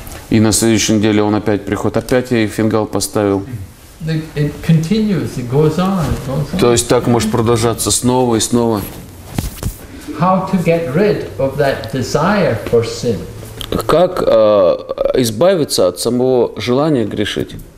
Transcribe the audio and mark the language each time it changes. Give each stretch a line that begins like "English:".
Russian: И на следующей неделе он опять приходит, опять я ей фингал поставил.
English: It continues, it goes on, it goes on.
Russian: То есть так может продолжаться снова и снова.
English: How to get rid of that desire for sin?
Russian: Как избавиться от самого желания грешить?